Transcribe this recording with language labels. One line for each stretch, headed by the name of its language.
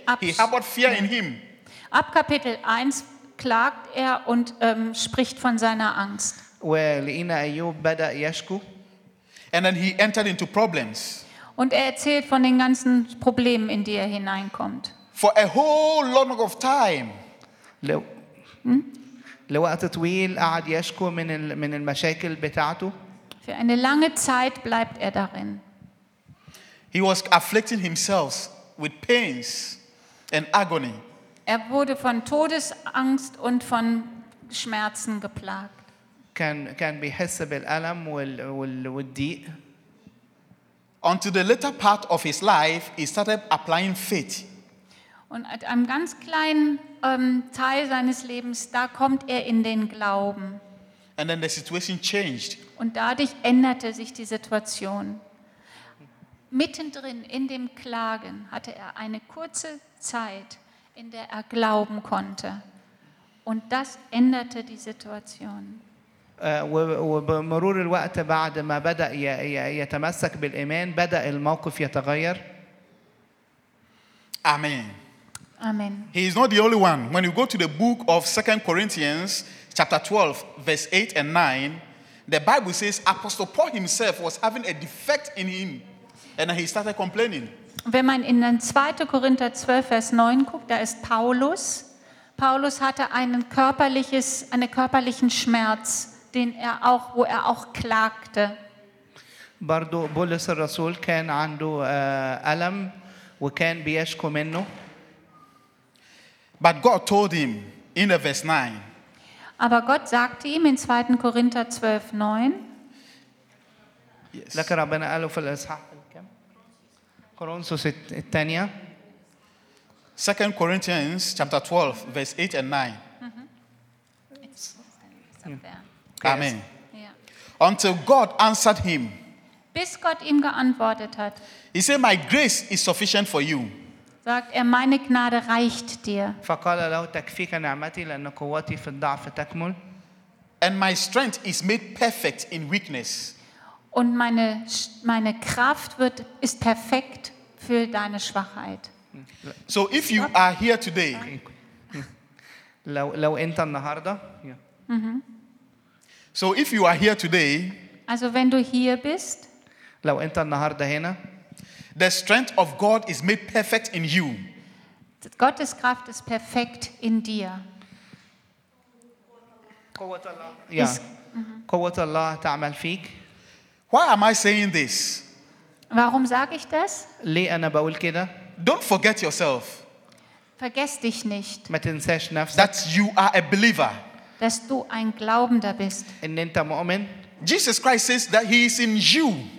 English: He harbored fear in him.
German: Ab Kapitel 1 klagt und spricht von seiner Angst.
English: And then he entered into problems.
German: Und erzählt von den ganzen Problemen, in die hineinkommt.
English: For a whole long of time.
Arabic: لوقت طويل قعد يشكو من المشاكل بتاعته.
German: Für eine lange Zeit bleibt darin.
English: He was afflicting himself with pains and agony.
German: Wurde von Todesangst und von Schmerzen geplagt. Kann
Arabic: بيحس بالألم والضيق.
English: Until the later part of his life, he started applying faith.
German: Und at einem ganz kleinen Teil seines Lebens, da kommt in den Glauben.
English: And then the situation changed.
German: Und dadurch änderte sich die Situation. Mittendrin in dem Klagen hatte eine kurze Zeit, in der glauben konnte. Und das änderte die Situation.
Arabic: وبمرور الوقت بعد ما بدا يتمسك بالايمان بدا الموقف يتغير.
English: Amen. Amen. He is not the only one. When you go to the book of 2 Corinthians chapter 12 verse 8 and 9, the Bible says Apostle Paul himself was having a defect in him and he started complaining.
German: Wenn man in 2. Korinther 12 Vers 9 guckt, da ist Paulus. Paulus hatte einen körperlichen Schmerz, den er auch, wo er auch klagte.
Arabic: برضو بولس الرسول كان عنده ألم وكان بيشكو منه.
English: But God told him in verse 9.
German: Aber Gott sagte ihm in 2. Korinther 12, 9.
English: Yes.
Arabic: لك ربنا قاله في الإصحاح الكام؟ كورنثوس الثانية.
English: 2 Corinthians chapter 12, verse 8 and 9. Mm-hmm. Amen. Yeah. Until God answered him.
German: Bis Gott ihm geantwortet hat.
English: He said, my grace is sufficient for you.
German: Sagt er, meine Gnade reicht dir.
Arabic: فقال له تكفيك نعمتي لأن قوتي في الضعف تكمل.
English: And my strength is made perfect in weakness.
German: Und meine Kraft ist perfekt für deine Schwachheit.
English: So if you are here today,
Arabic: لو انت النهاردة, yeah.
English: So if you are here today,
German: also wenn du hier bist,
Arabic: لو انت النهاردة هنا,
English: the strength of God is made perfect in you.
German: Gottes Kraft ist perfekt in dir.
Arabic: قوة الله تعمل فيك.
English: Why am I saying this?
German: Warum sage ich das?
Arabic: ليه انا بقول كده؟
English: Don't forget yourself.
German: Vergess dich nicht.
Arabic: ما تنساش نفسك.
English: That you are a believer.
German: Dass du ein Glaubender bist.
Arabic: إن أنت مؤمن.
English: Jesus Christ says that he is in you.